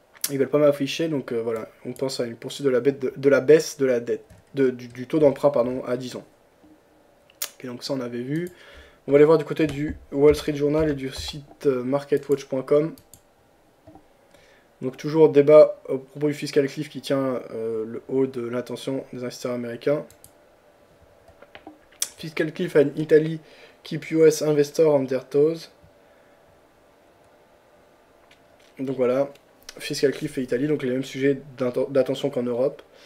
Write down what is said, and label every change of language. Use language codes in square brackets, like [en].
[fr] Ils veulent pas m'afficher, donc voilà, on pense à une poursuite de la baisse du taux d'emprunt pardon, à 10 ans. Et donc ça, on avait vu. On va aller voir du côté du Wall Street Journal et du site marketwatch.com. Donc toujours débat au propos du fiscal cliff qui tient le haut de l'attention des investisseurs américains. [en] Fiscal cliff in Italy, keep US investor on their toes. [fr] Donc voilà. Fiscal cliff et Italie, donc les mêmes sujets d'attention qu'en Europe.